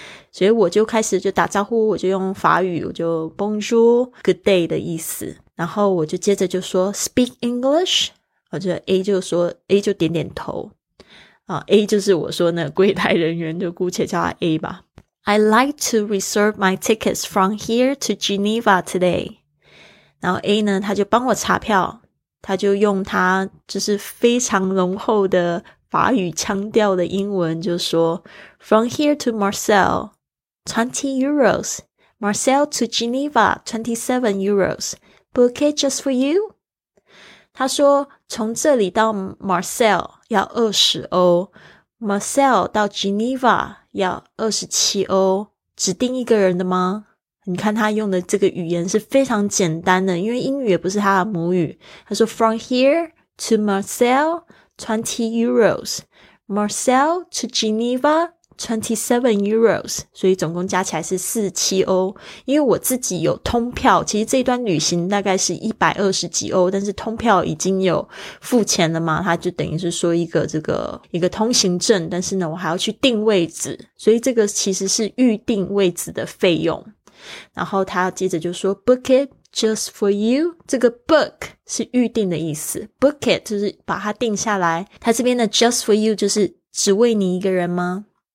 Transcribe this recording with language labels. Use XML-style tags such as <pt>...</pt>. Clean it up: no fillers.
<zh>所以我就开始就打招呼，我就用法语，我就 bonjour good day 的意思，然后我就接着就说</zh> <en>speak English，</en> <zh>我就 A 就说 A 就点点头啊 ，A 就是我说那柜台人员，就姑且叫他 A 吧。</zh> <en>I like to reserve my tickets from here to Geneva today，</en> <zh>然后 A 呢他就帮我查票，他就用他就是非常浓厚的法语腔调的英文就说</zh> <en>From here to Marseille 20 euros， Marseille to Geneva 27 euros， Book it just for you。</en> <zh>他说从这里到 Marseille 要20欧， Marseille 到 Geneva 要27欧，指定一个人的吗？你看他用的这个语言是非常简单的，因为英语也不是他的母语。</zh> <en>他说 From here to Marseille 20 euros， Marseille to Geneva 27 euros，</en> <zh>所以总共加起来是47欧。因为我自己有通票，其实这段旅行大概是120几欧，但是通票已经有付钱了嘛，他就等于是说一个这个一个通行证，但是呢我还要去订位置，所以这个其实是预订位置的费用。然后他接着就说</zh> <en>book it just for you，</en> <zh>这个 book 是预定的意思， book it 就是把它定下来，他这边的 just for you 就是只为你一个人吗？</zh>